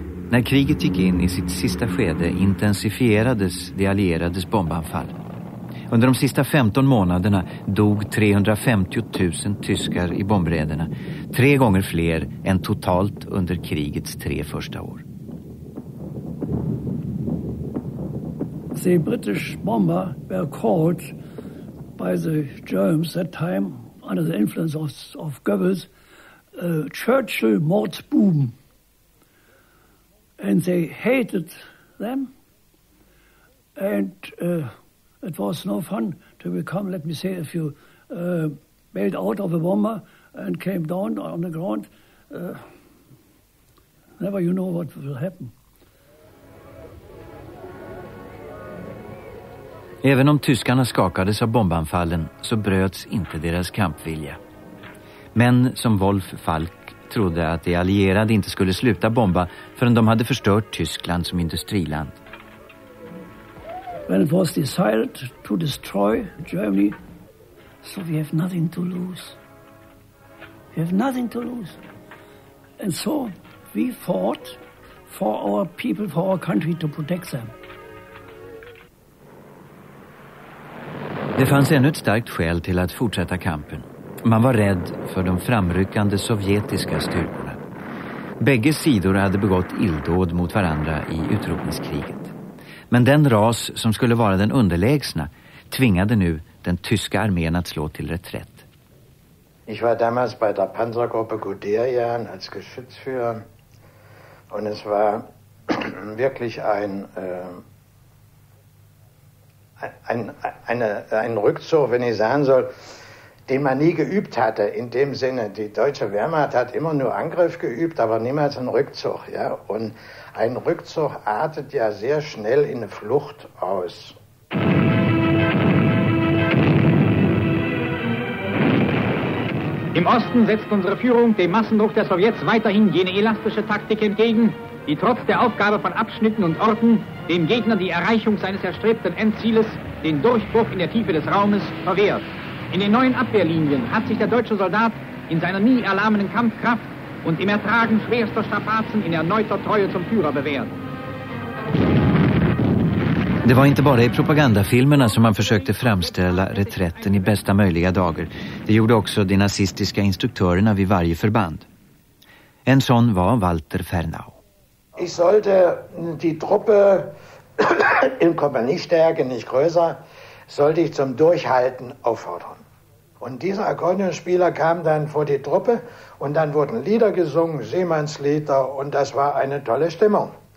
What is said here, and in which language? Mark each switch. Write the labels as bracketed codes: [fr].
[sv] När kriget gick in i sitt sista skede intensifierades de allierades bombanfall. Under de sista 15 månaderna dog 350 000 tyskar i bombräderna. Tre gånger fler än totalt under krigets tre första år. [en] The British bomber were caught by the Germans that time under the influence of Goebbels. Churchill Mordsboom, and they hated them, and it was no fun to become, let me say, if you bailed out of a bomber and came down on the ground, never you know what will happen. [sv] Även om tyskarna skakades av bombanfallen så bröts inte deras kampvilja. Men som Wolf Falk trodde att de allierade inte skulle sluta bomba förrän de hade förstört Tyskland som industriland. [en] When it was decided to destroy Germany, so we have nothing to lose. We have nothing to lose. And so we fought for our people, for our country to protect them. [sv] Det fanns ännu ett starkt skäl till att fortsätta kampen. Man var rädd för de framryckande sovjetiska styrkorna. Bägge sidor hade begått illdåd mot varandra i utrotningskriget. Men den ras som skulle vara den underlägsna tvingade nu den tyska armén att slå till reträtt. [de] Ich war damals bei der Panzergruppe Guderian als Geschützführer und es war wirklich ein Rückzug, wenn ich sagen soll, den man nie geübt hatte, in dem Sinne, die deutsche Wehrmacht hat immer nur Angriff geübt, aber niemals einen Rückzug. Ja? Und ein Rückzug artet ja sehr schnell in eine Flucht aus. Im Osten setzt unsere Führung dem Massendruck der Sowjets weiterhin jene elastische Taktik entgegen, die trotz der Aufgabe von Abschnitten und Orten dem Gegner die Erreichung seines erstrebten Endzieles, den Durchbruch in der Tiefe des Raumes, verwehrt. In den neuen Abwehrlinien hat sich der deutsche Soldat in seiner nie erlahmenden Kampfkraft und im Ertragen schwerster Strapazen in erneuter Treue zum Führer bewährt. [sv] Det var inte bara i propagandafilmerna som man försökte framställa reträtten i bästa möjliga dager. Det gjorde också de nazistiska instruktörerna vid varje förband. En sån var Walter Fernau. [de] Ich sollte die Truppe in Kompaniestärke, nicht größer, sollte ich zum Durchhalten auffordern. Und dieser Akkordeonspieler kam dann vor die Truppe und dann wurden Lieder gesungen, Seemannslieder, und das war eine tolle Stimmung.